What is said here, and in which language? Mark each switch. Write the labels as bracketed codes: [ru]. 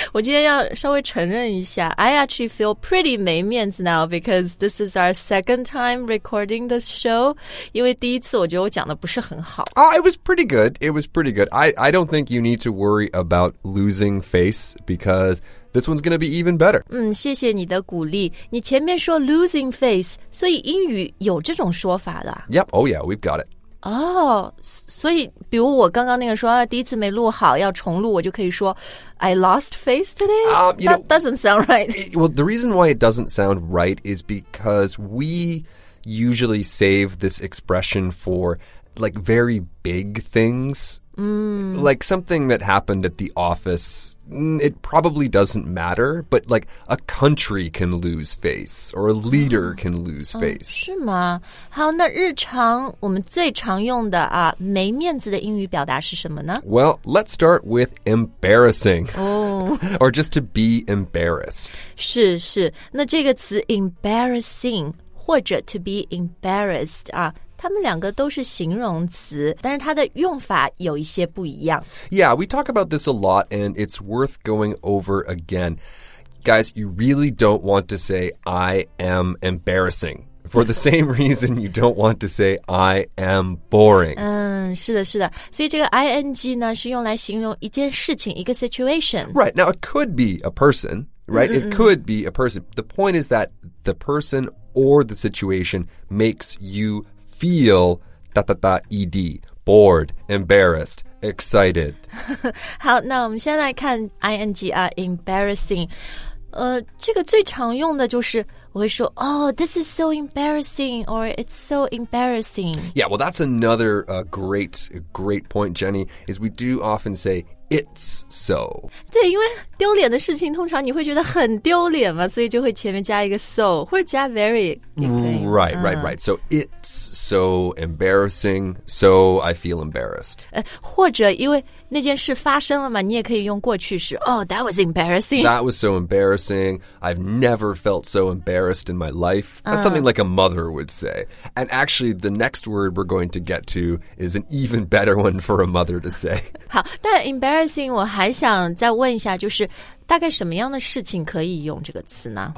[zh] 我今天要稍微承认一下 [en] I actually feel pretty [zh] 没面子 [en] now because this is our second time recording this show. [zh] 因为第一次我觉得我讲的不是很好。 [en] Oh, it was pretty good. It was pretty good. I don't think you need to worry about losing face because this one's going to be even better. [zh] 谢谢你的鼓励。你前面说 [en] losing face, [zh] 所以英语有这种说法的。 [en] Yep, oh yeah, we've got it. [zh] 所以比如我刚刚那个说第一次没录好要重录我就可以说 [en] I lost face today? That doesn't sound right. Well, the reason why it doesn't sound right is because we usually save this expression for like very big things. Like something that happened at the office, it probably doesn't matter, but like a country can lose face or a leader can lose face. [zh] 是吗？好，那日常我们最常用的啊，没面子的英语表达是什么呢？ [en] Well, let's start with embarrassing. Oh. Or just to be embarrassed. [zh] 是是，那这个词 embarrassing 或者 to be embarrassed 啊他们两个都是形容词，但是它的用法有一些不一样。 [en] Yeah, we talk about this a lot, and it's worth going over again. Guys, you really don't want to say, I am embarrassing. For the same reason, you don't want to say, I am boring. [zh] 是的，是的。所以这个 ing 呢，是用来形容一件事情，一个 situation. [en] Right, now it could be a person, right? It could be a person. The point is that the person or the situation makes you feel, ed, bored, embarrassed, excited. [zh] 好，那我们先来看 ing 啊 embarrassing. 这个最常用的就是我会说 [en] oh, this is so embarrassing, [zh] or it's so embarrassing. [en] Yeah, well, that's another great, great point, Jenny, is we do often say it's so. [zh] 对，因为丢脸的事情通常你会觉得很丢脸嘛，所以就会前面加一个 so, 或者加 very. [en] Right, right, right. So it's so embarrassing, so I feel embarrassed. [zh] 或者因为那件事发生了嘛，你也可以用过去式 [en] oh, that was embarrassing. That was so embarrassing. I've never felt so embarrassed in my life. That's something like a mother would say. And actually, the next word we're going to get to is an even better one for a mother to say. [zh] 好，但 embarrassing 我还想再问一下，就是大概什么样的事情可以用这个词呢？